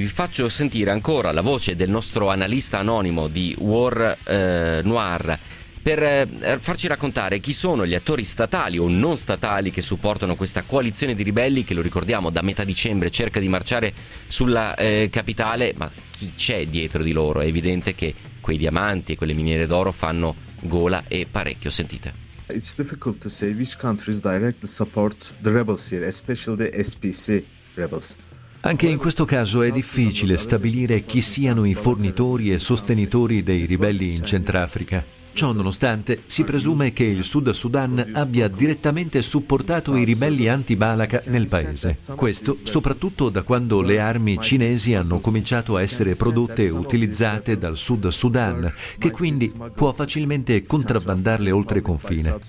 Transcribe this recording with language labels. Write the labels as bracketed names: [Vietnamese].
[Italian] Vi faccio sentire ancora la voce del nostro analista anonimo di War Noir, per farci raccontare chi sono gli attori statali o non statali che supportano questa coalizione di ribelli che, lo ricordiamo, da metà dicembre cerca di marciare sulla capitale. Ma chi c'è dietro di loro? È evidente che quei diamanti e quelle miniere d'oro fanno gola e parecchio. Sentite. [English] It's difficult to say which countries directly support the rebels here, especially the SPC rebels. [Italian] Anche in questo caso è difficile stabilire chi siano i fornitori e sostenitori dei ribelli in Centrafrica. Ciò nonostante, si presume che il Sud Sudan abbia direttamente supportato i ribelli anti-Balaka nel paese. Questo soprattutto da quando le armi cinesi hanno cominciato a essere prodotte e utilizzate dal Sud Sudan, che quindi può facilmente contrabbandarle oltre confine.